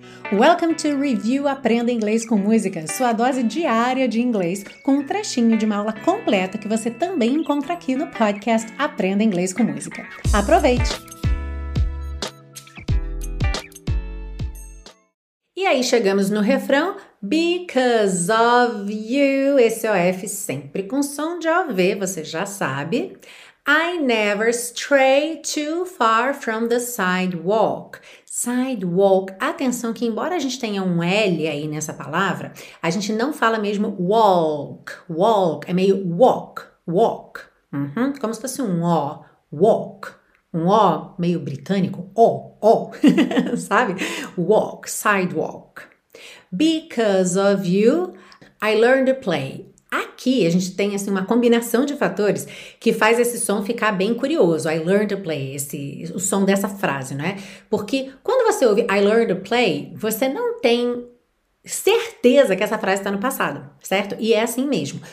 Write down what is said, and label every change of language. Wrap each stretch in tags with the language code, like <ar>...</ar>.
<pt>Welcome to Review Aprenda Inglês com Música, sua dose diária de inglês, com um trechinho de uma aula completa que você também encontra aqui no podcast Aprenda Inglês com Música. Aproveite! E aí chegamos no refrão,</pt> <en>because of you,</en> <pt>esse OF sempre com som de OV, você já sabe.</pt> <en>I never stray too far from the sidewalk.</en> <pt>Sidewalk, atenção que embora a gente tenha um L aí nessa palavra, a gente não fala mesmo walk, walk, é meio walk, walk. Uhum. Como se fosse um O, walk. Um O meio britânico, O, O, sabe?</pt> <en>Walk, sidewalk. Because of you, I learned to play.</en> <pt>Aqui a gente tem assim, uma combinação de fatores que faz esse som ficar bem curioso.</pt> <en>I learned to play,</en> <pt>esse, o som dessa frase, não é? Porque quando você ouve</pt> <en>I learned to play,</en> <pt>você não tem certeza que essa frase está no passado, certo? E é assim mesmo.</pt>